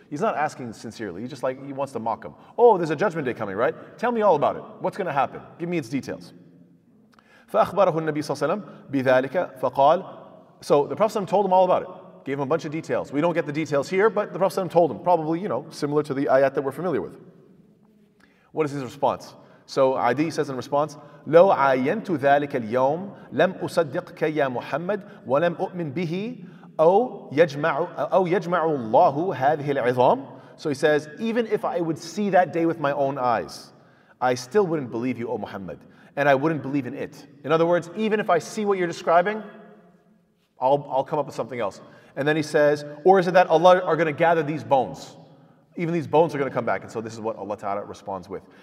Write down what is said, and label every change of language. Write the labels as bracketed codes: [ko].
[en] He's not asking sincerely. He's just like, he wants to mock him. Oh, there's a judgment day coming, right? Tell me all about it. What's going to happen? Give me its details. [ar] فَأَخْبَرَهُ النَّبِيُّ صَلَّى اللَّهُ عَلَيْهِ وَسَلَّمَ بِذَلِكَ فَقَالَ. [en] So the Prophet ﷺ told him all about it. Gave him a bunch of details. We don't get the details here, but the Prophet told him, probably, similar to the ayat that we're familiar with. What is his response? So Adi says in response, [ar] لو عينت ذلك اليوم لم أصدقك يا محمد ولم أؤمن به أو يجمع الله هذه العظام. [en] So he says, even if I would see that day with my own eyes, I still wouldn't believe you, O Muhammad. and I wouldn't believe in it. In other words, even if I see what you're describing, I'll come up with something else. And then he says, or is it that Allah are going to gather these bones? Even these bones are going to come back. And so this is what Allah Ta'ala responds with.